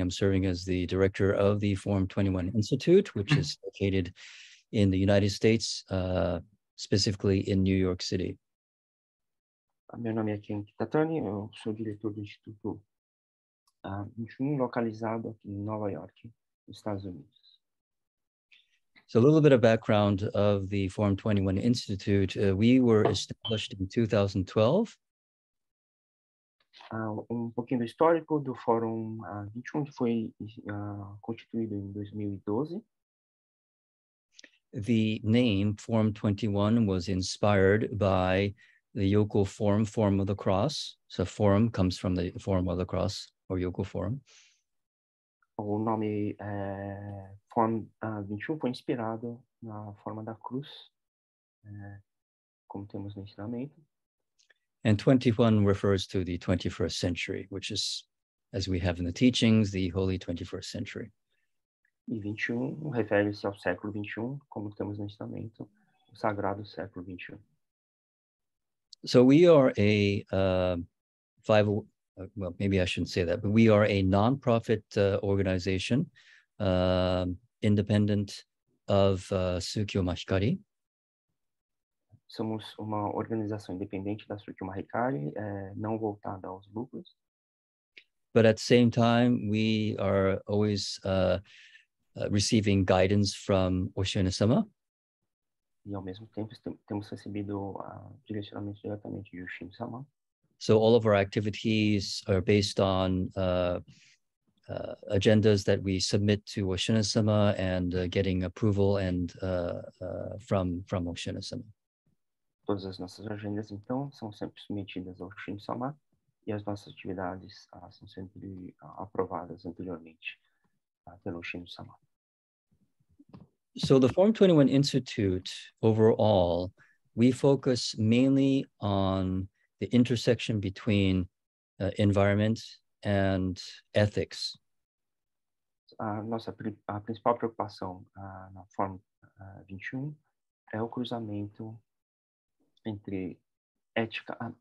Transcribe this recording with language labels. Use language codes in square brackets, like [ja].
[en] I'm serving as the director of the Forum 21 Institute, which is located in the United States, specifically in New York City. [pt] Meu nome é Ken Kitatani, eu sou diretor do Instituto 21, localizado aqui em Nova York, nos Estados Unidos. [en] So a little bit of background of the Forum 21 Institute. We were established in 2012. [pt] Um pouquinho do histórico do Fórum 21, que foi constituído em 2012. [en] The name Forum 21 was inspired by the Yoko form, form of the cross. So forum comes from the form of the cross, or Yoko form. [pt] O nome Forum 21 foi inspirado na forma da cruz, como temos no ensinamento. [en] And 21 refers to the 21st century, which is, as we have in the teachings, the holy 21st century. [pt] E 21 refere-se ao século 21, como temos no ensinamento, o sagrado século 21. [en] So we are a we are a non-profit organization, independent of Sukyo Mahikari. [pt] Somos uma organização independente da Sukyo Mahikari, não voltada aos lucros. [en] But at the same time, we are always receiving guidance from Oshinesama. [pt] E ao mesmo tempo temos recebido direcionamento diretamente de Oshinesama. [en] So all of our activities are based on agendas that we submit to Oshinesama and getting approval and from Oshinesama. [pt] Todas as nossas agendas então são sempre submetidas ao Oshinesama e as nossas atividades são sempre aprovadas anteriormente pelo Oshinesama. [en] So the Forum 21 Institute, overall, we focus mainly on the intersection between environment and ethics. [pt] A principal preocupação na Forum 21 é o cruzamento entre ética,